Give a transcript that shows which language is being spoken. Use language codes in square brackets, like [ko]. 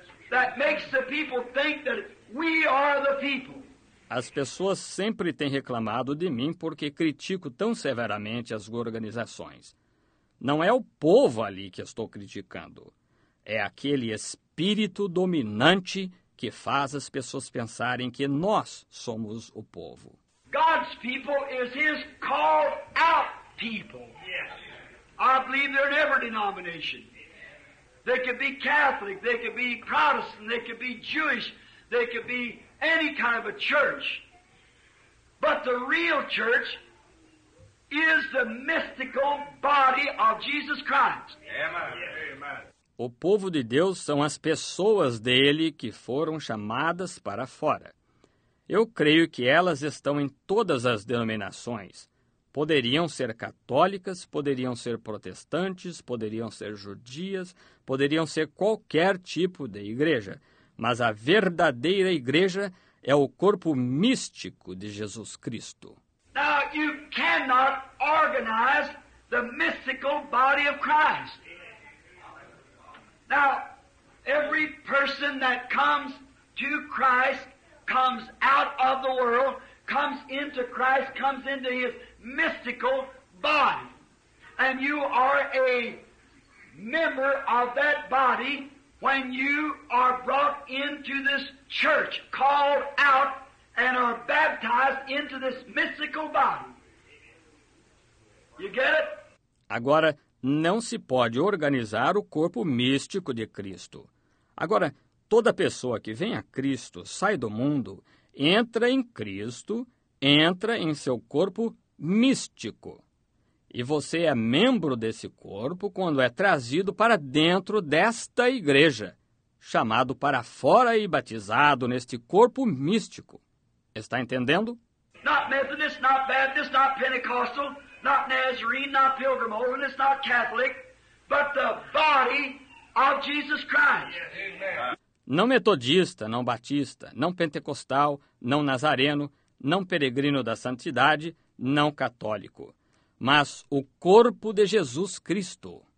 [en] That makes the people think that we are the people. [pt] As pessoas sempre têm reclamado de mim porque critico tão severamente as organizações. Não é o povo ali que estou criticando. É aquele espírito dominante que faz as pessoas pensarem que nós somos o povo. [en] God's people is his called out people. Yes. I believe they're in every denomination. They could be Catholic, they could be Protestant, they could be Jewish, they could be any kind of a church. But the real church is the mystical body of Jesus Christ. Amen. Yes. Amen. [pt] O povo de Deus são as pessoas dele que foram chamadas para fora. Eu creio que elas estão em todas as denominações. Poderiam ser católicas, poderiam ser protestantes, poderiam ser judias, poderiam ser qualquer tipo de igreja. Mas a verdadeira igreja é o corpo místico de Jesus Cristo. [en] Now you cannot organize the mystical body of Christ. Now, every person that comes to Christ, comes out of the world, comes into Christ, comes into his mystical body. And you are a member of that body when you are brought into this church, called out, and are baptized into this mystical body. You get it? [pt] Agora, não se pode organizar o corpo místico de Cristo. Agora, toda pessoa que vem a Cristo, sai do mundo, entra em Cristo, entra em seu corpo místico. E você é membro desse corpo quando é trazido para dentro desta igreja, chamado para fora e batizado neste corpo místico. Está entendendo? [en] Not Methodist, not Baptist, not Pentecostal. Not Nazarene, not Pilgrim, and it's not Catholic, but the body of Jesus Christ. Yes, amen. [pt] Não metodista, não batista, não pentecostal, não nazareno, não peregrino da santidade, não católico, mas o corpo de Jesus Cristo.